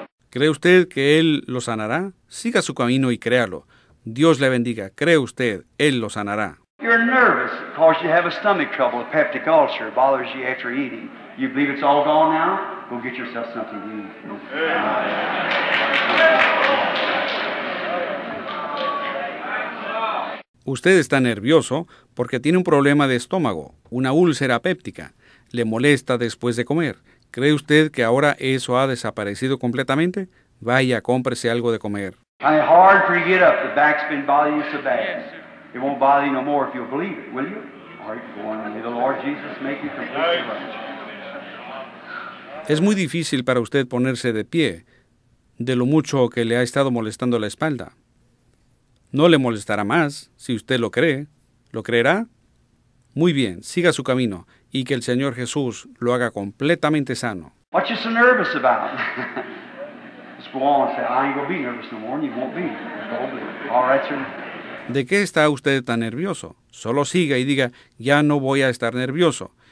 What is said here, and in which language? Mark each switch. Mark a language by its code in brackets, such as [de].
[es] ¿Cree usted que Él lo sanará? Siga su camino y créalo. Dios le bendiga. ¿Cree usted? Él lo sanará. [en] You're nervous because you have a stomach trouble, a peptic ulcer bothers you after eating. You believe it's all gone now? Go get yourself something to eat. [es] Usted está nervioso porque tiene un problema de estómago, una úlcera péptica. Le molesta después de comer. ¿Cree usted que ahora eso ha desaparecido completamente? Vaya, cómprese algo de comer. [en] It's hard for you to get up. The back's been bothering you so bad. It won't bother you no more if you'll believe it, will you? All right, go on. May the Lord Jesus make you completely right. [es] Es muy difícil para usted ponerse de pie de lo mucho que le ha estado molestando la espalda. No le molestará más, si usted lo cree. ¿Lo creerá? Muy bien, siga su camino y que el Señor Jesús lo haga completamente sano. [en] What you so nervous about? Just go on and say, I ain't gonna be nervous no more, and you won't be. All right, sir. [es] ¿De qué está usted tan nervioso? Solo siga y diga, ya no voy a estar nervioso.